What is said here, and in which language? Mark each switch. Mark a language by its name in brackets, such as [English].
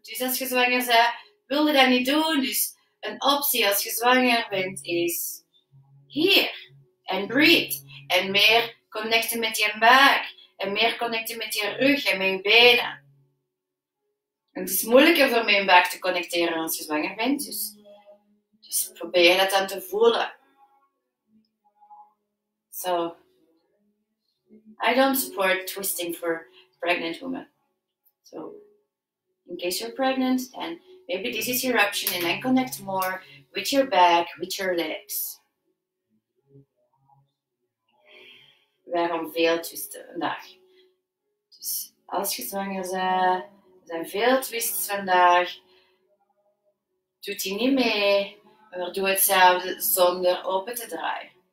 [Dutch] Dus als je zwanger bent, wil je dat niet doen. Dus een optie als je zwanger bent is hier. En breathe. En meer connecten met je buik. En meer connecten met je rug en mijn benen. En het is moeilijker voor mijn buik te connecteren als je zwanger bent. Dus probeer dat dan te voelen. [English] So, I don't support twisting for pregnant women. So, in case you're pregnant, then maybe this is your option and then connect more with your back, with your legs. [Dutch] Waarom veel twisten vandaag? Dus als je zwanger bent, zijn veel twists vandaag. Doet die niet mee, maar doe hetzelfde zonder open te draaien.